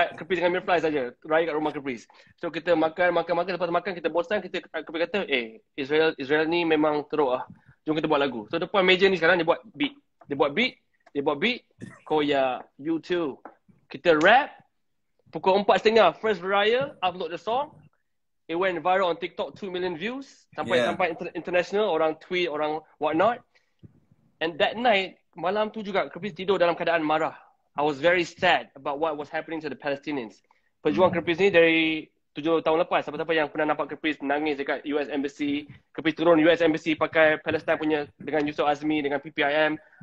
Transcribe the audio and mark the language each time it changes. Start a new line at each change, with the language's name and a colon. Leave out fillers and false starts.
Malay: Capriz dengan Mirfly saja. Raya kat rumah Capriz. So kita makan. Lepas makan, kita bosan. Kita Capriz kata, Israel ni memang teruk lah. Jom kita buat lagu. So depan meja ni sekarang, dia buat beat.
English: Koya, you too.
Malay: Kita rap. Pukul 4:30.
English: First Raya, upload the song. it went viral on TikTok, 2 million views.
Malay: Sampai international, orang tweet, orang whatnot.
English: And that night,
Malay: malam tu juga, Kerpis tidur dalam keadaan marah.
English: I was very sad about what was happening to the Palestinians.
Malay: Perjuangan Kerpis ni dari 7 tahun lepas, siapa-siapa yang pernah nampak Kerpis nangis dekat US Embassy, Kerpis turun US Embassy pakai Palestine punya dengan Yusof Azmi, dengan PPIM.